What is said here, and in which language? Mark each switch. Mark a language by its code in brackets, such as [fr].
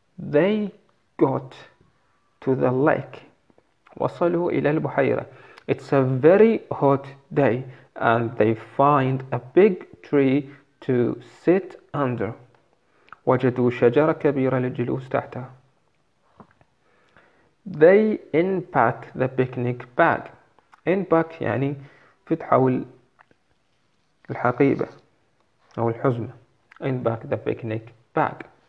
[en] They got to the lake، [ar] وصلوا إلى البحيرة. [en] It's a very hot day and they find a big tree to sit under، [ar] وجدوا شجرة كبيرة للجلوس تحتها. [en] They unpack the picnic bag. [ar] Unpack يعني فتحوا الحقيبة أو الحزمة. [en] Unpack the picnic bag.